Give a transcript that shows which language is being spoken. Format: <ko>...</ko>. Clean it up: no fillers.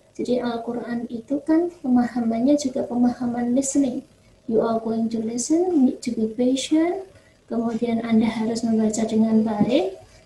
<id>Jadi Al-Quran itu kan pemahamannya juga pemahaman listening.</id> <en>You are going to listen, need to be patient.</en> <id>Kemudian Anda harus membaca dengan baik.</id>